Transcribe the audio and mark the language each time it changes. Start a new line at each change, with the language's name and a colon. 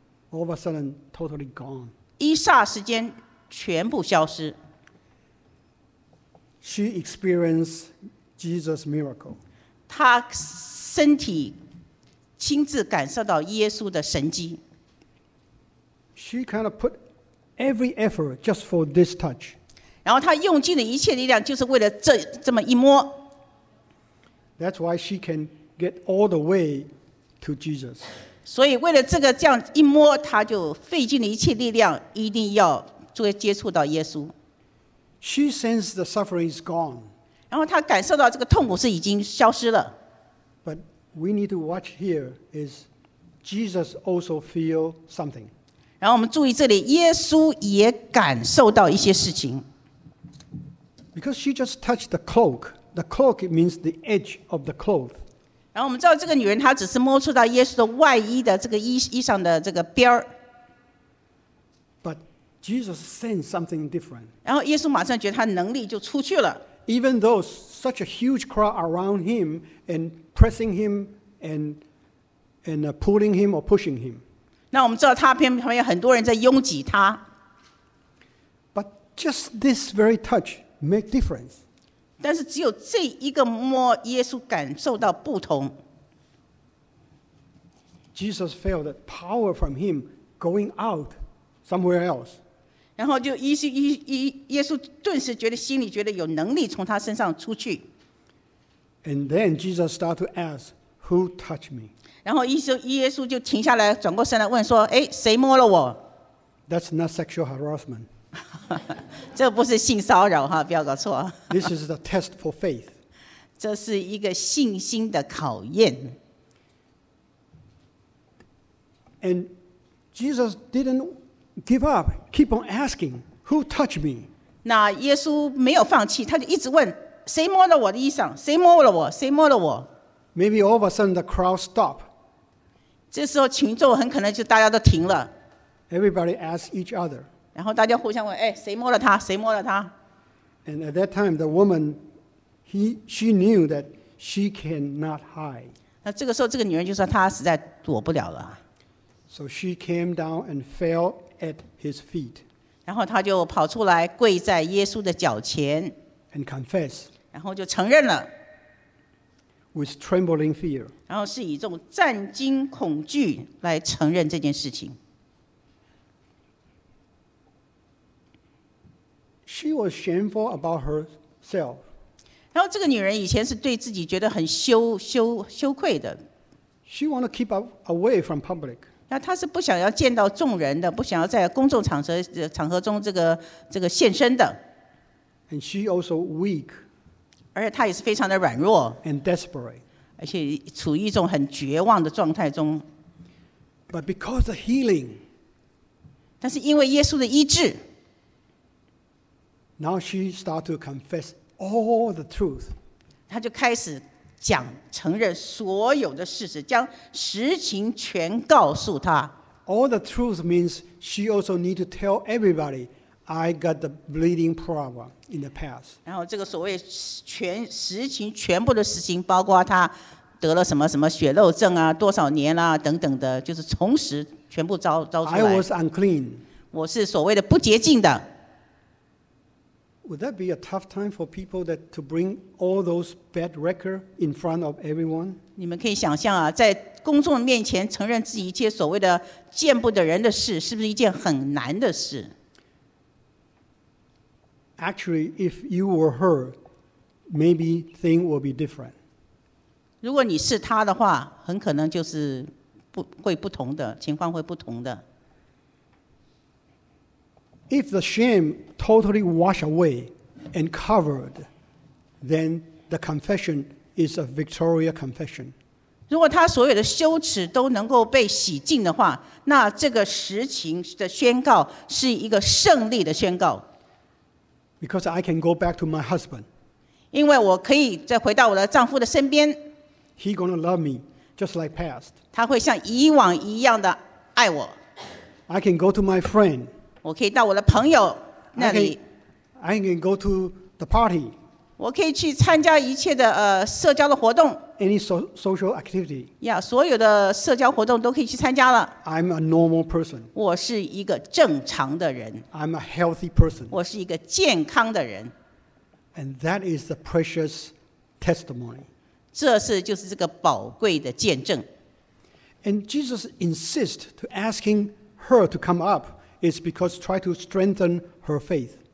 English: All of a sudden, totally gone.
Chinese: 一霎时间全部消失。
English: She experienced Jesus' miracle.
Chinese: 她身体亲自感受到耶稣的神迹。
English: She kind of put every effort just for this touch.
Chinese: 然后他用尽了一切力量就是为了这么一摸。
English: That's why she can get all the way to Jesus.
Chinese: 所以为了这个这样一摸他就费尽了一切力量一定要接触到耶稣。
English: She senses the suffering is gone.
Chinese: 然后他感受到这个痛苦是已经消失了。
English: But we need to watch here is Jesus also feel something.
Chinese: 然后我们注意这里，耶稣也感受到一些事情。
English: Because she just touched the cloak. The cloak means the edge of the cloth.
Chinese: 然后我们知道这个女人她只是摸触到耶稣的外衣的这个衣裳的这个边。
English: But Jesus sensed something different.
Chinese: 然后耶稣马上觉得他能力就出去了。
English: Even though such a huge crowd around him and pressing him and pulling him or pushing him.
Chinese: 那我们知道他旁边有很多人在拥挤他。
English: But just this very touch make difference.
Chinese: 但是只有这一个摸，耶稣感受到不同。
English: Jesus felt that power from him going out somewhere else.
Chinese: 然后就耶稣顿时觉得心里觉得有能力从他身上出去。
English: And then Jesus started to ask, "Who touched me?"
Chinese: 然后耶稣就停下来，转过身来问说：“哎，谁摸了我？”
English: That's not sexual harassment.
Chinese: 这不是性骚扰哈，不要搞错。
English: This is the test for faith.
Chinese: 这是一个信心的考验。
English: And Jesus didn't give up. Keep on asking, "Who touched me?"
Chinese: 那耶稣没有放弃，他就一直问。谁摸了我的衣裳？谁摸了我？谁摸了我
English: ？Maybe all of a sudden the crowd stop.
Chinese: 这时候群众很可能就大家都停了。 Everybody asks each other. 然后大家互相问：“哎，谁摸了他？谁摸了他
English: ？”And at that time, the woman, she knew that she cannot hide.
Chinese: 那这个时候，这个女人就说她实在躲不了了。
English: So she came down and fell at his feet.
Chinese: 然后她就跑出来，跪在耶稣的脚前。
English: And confess,
Chinese: 然后就承认了
English: with trembling fear,
Chinese: 然后是以这种战惊恐惧来承认这件事情。
English: She was shameful about herself.
Chinese: 然后这个女人以前是对自己觉得很羞愧的。
English: She wanted to keep up away from public.
Chinese: 那她是不想要见到众人的，不想要在公众场合中这个现身的。
English: And she also weak,
Chinese: 而且她也是非常的软弱
English: and desperate,
Chinese: 而且处于一种很绝望的状态中
English: But because of healing,
Chinese: 但是因为耶稣的医治
English: Now she started to confess all the truth,
Chinese: 她就开始讲承认所有的事实将实情全告诉她
English: All the truth means she also need to tell everybody,I got the bleeding problem in the past.
Chinese: 然后这个所谓实情全部的实情，包括他得了什么什么血漏症啊，多少年啊等等的，就是从实全部招出来。
English: I was unclean.
Chinese: 我是所谓的不洁净的。
English: Would that be a tough time for people that to bring all those bad record in front of everyone?
Chinese: 你们可以想象啊，在公众面前承认自己一切所谓的见不得人的事，是不是一件很难的事？
English: Actually, if you were her, maybe things will be different.
Chinese: 如果你是她的话，很可能就是会不同的情况会不同的。
English: If the shame totally washed away and covered, then the confession is a victorious confession.
Chinese: 如果她所有的羞耻都能够被洗净的话，那这个实情的宣告是一个胜利的宣告。
English: Because I can go back to my husband.
Chinese: 因为我可以再回到我的丈夫的身边。
English: He gonna love me just like past.
Chinese: 他会像以往一样的爱我。
English: I can go to my friend.
Chinese: 我可以到我的朋友那里。
English: I can go to the party.
Chinese: 我可以去参加一切的社交的活动。
English: Any social activity.
Chinese: 呀，所有的社交活动都可以去参加了。
English: I'm a normal person.
Chinese: 我是一个正常的人。
English: I'm a healthy person.
Chinese: 我是一个健康的人。
English: And that is the precious testimony.
Chinese: 这是就是这个宝贵的见证。
English: And Jesus insists to asking her to come up is because try to strengthen her faith.